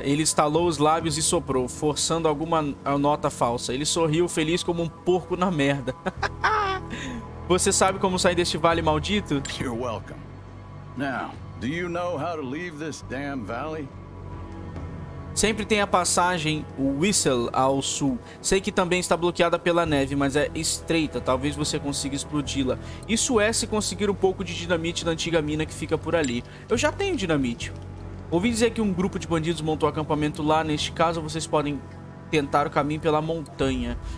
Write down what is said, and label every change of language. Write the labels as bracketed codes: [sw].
[pt] Ele estalou os lábios e soprou, forçando alguma nota falsa. Ele sorriu feliz como um porco na merda. Você sabe como sair deste vale maldito? [en] You're welcome. Now, do you know how to leave this damn valley? [pt] Sempre tem a passagem Whistle ao sul. Sei que também está bloqueada pela neve, mas é estreita. Talvez você consiga explodi-la. Isso é se conseguir um pouco de dinamite na antiga mina que fica por ali. Eu já tenho dinamite. Ouvi dizer que um grupo de bandidos montou acampamento lá. Neste caso, vocês podem tentar o caminho pela montanha.